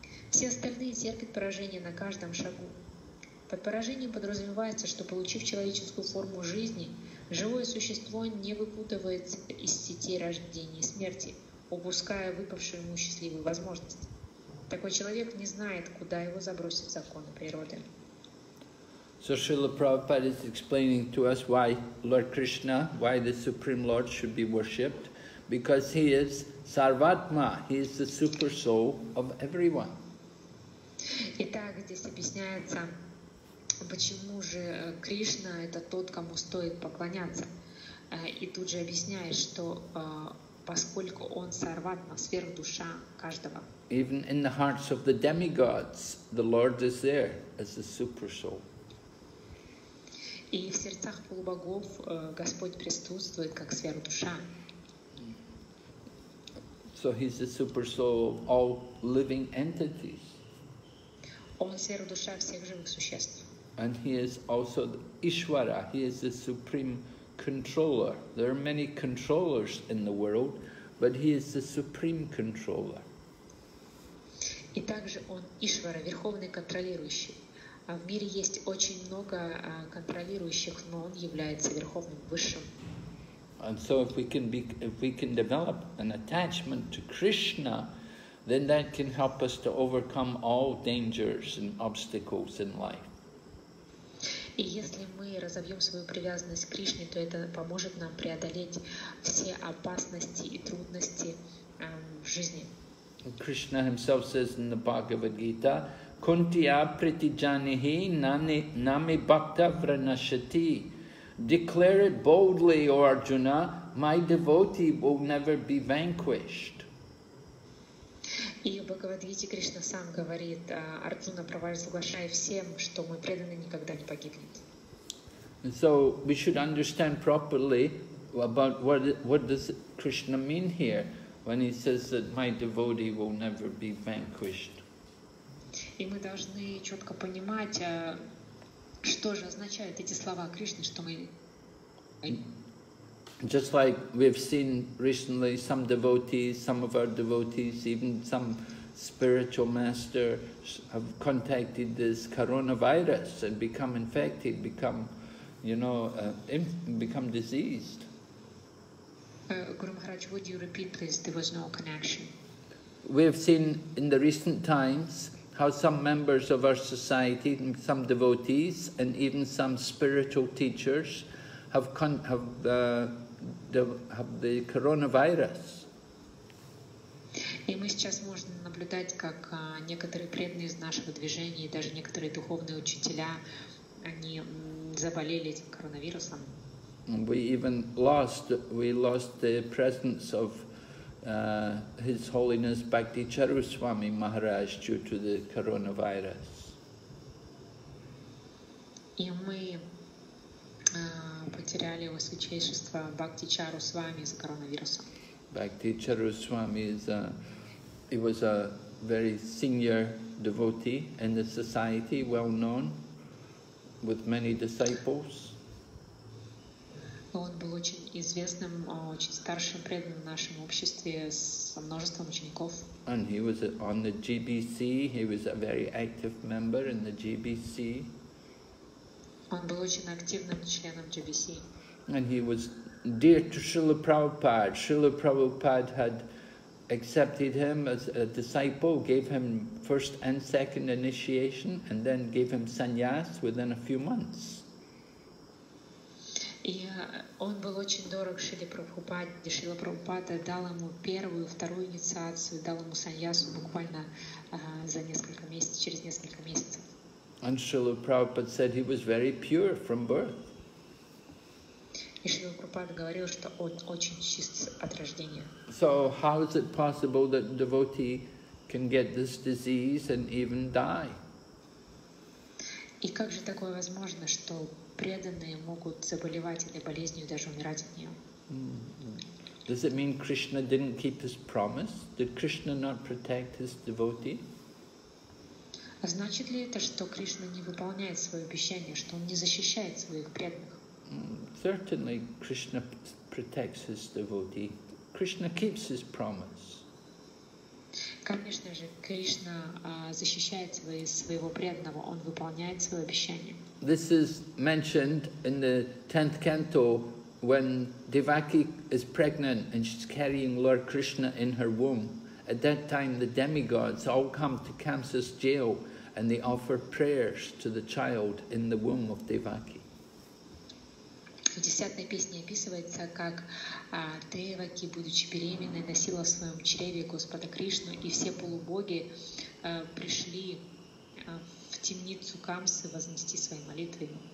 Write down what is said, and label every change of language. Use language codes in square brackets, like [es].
[ru] Все остальные терпят поражение на каждом шагу. Под поражением подразумевается, что, получив человеческую форму жизни, живое существо не выпутывается из сети рождения и смерти, упуская выпавшую ему счастливую возможность. Такой человек не знает, куда его забросят законы природы. [en] So Srila Prabhupada is explaining to us why Lord Krishna, why the Supreme Lord should be worshipped, because he is Sarvatma, he is the super soul of everyone. [ru] Итак, здесь объясняется, почему же Кришна это тот, кому стоит поклоняться. И тут же объясняет, что поскольку он Сарватма, сверхдуша каждого. [en] Even in the hearts of the demigods, the Lord is there as the super soul. [ru] И в сердцах полубогов Господь присутствует как сверхдуша. [en] So he's the super soul of all living entities. [ru] Он сверхдуша всех живых существ. [en] And he is also the Ishvara, he is the supreme controller. There are many controllers in the world, but he is the supreme controller. [ru] И также он Ишвара, верховный контролирующий. А в мире есть очень много контролирующих, но он является верховным высшим. [en] And so if we can develop an attachment to Krishna, then that can help us to overcome all dangers and obstacles in life. [ru] И если мы разовьем свою привязанность к Кришне, то это поможет нам преодолеть все опасности и трудности в жизни. [en] Krishna himself says in the Bhagavad Gita, [sa] Kuntiya pritijanihi nami bhakta vranashati. [en] Declare it boldly, O Arjuna, my devotee will never be vanquished. [ru] И в Бхагавадгите Кришна сам говорит, Арджуна, правая соглашая всем, что мой преданный никогда не погибнет. [en] And so we should understand properly about what does Krishna mean here when he says that my devotee will never be vanquished. [ru] И мы должны четко понимать, что же означают эти слова Кришны, что мы... [en] Just like we've seen recently some devotees, some of our devotees, even some spiritual masters have contacted this coronavirus and become infected, become diseased. Guru Maharaj, would you repeat, please? There was no connection. We have seen in the recent times how some members of our society, and some devotees, and even some spiritual teachers, have the coronavirus. [ru] И мы сейчас можем наблюдать, как некоторые преданные из нашего движения, даже некоторые духовные учителя, они заболели этим коронавирусом. [en] We even lost, the presence of His Holiness Bhakti Charuswami Maharaj due to the coronavirus. [ru] И мы потеряли его святейшество Бхакти Чарусвами из-за коронавируса. [en] Bhakti Charuswami is a, he was a very senior devotee in the society, well known, with many disciples. [ru] Он был очень известным, очень старшим преданным в нашем обществе со множеством учеников. [en] And he was on the GBC, he was a very active member in the GBC. [ru] Он был очень активным членом GBC. [en] And he was dear to Srila Prabhupada. Srila Prabhupada had accepted him as a disciple, gave him first and second initiation, and then gave him sannyas within a few months. [ru] И он был очень дорог Шиле Прабхупаде. Шрила Прабхупада дал ему первую, вторую инициацию, дал ему саньясу буквально за несколько месяцев, через несколько месяцев. [en] And Шрила Прабхупада said he was very pure from birth. [ru] И Шрила Прабхупада говорил, что он очень чист от рождения. [en] So how is it possible that devotee can get this disease and even die? [ru] И как же такое возможно, что преданные могут заболевать этой болезнью и даже умирать от нее? [en] Does it mean Krishna didn't keep his promise? Did Krishna not protect his devotee? [ru] А значит ли это, что Кришна не выполняет свое обещание, что он не защищает своих преданных? [en] Certainly Krishna protects his devotee. Krishna keeps his promise. [ru] Конечно же, Кришна защищает своего преданного, он выполняет свое обещание. [en] This is mentioned in the 10th canto when Devaki is pregnant and she's carrying Lord Krishna in her womb. At that time the demigods all come to Kamsa's jail and they offer prayers to the child in the womb of Devaki. [ru] В 10-й песне описывается, как Деваки, будучи беременной, носила в своем чреве Господа Кришну, и все полубоги пришли в темницу Камсы вознести свои молитвы.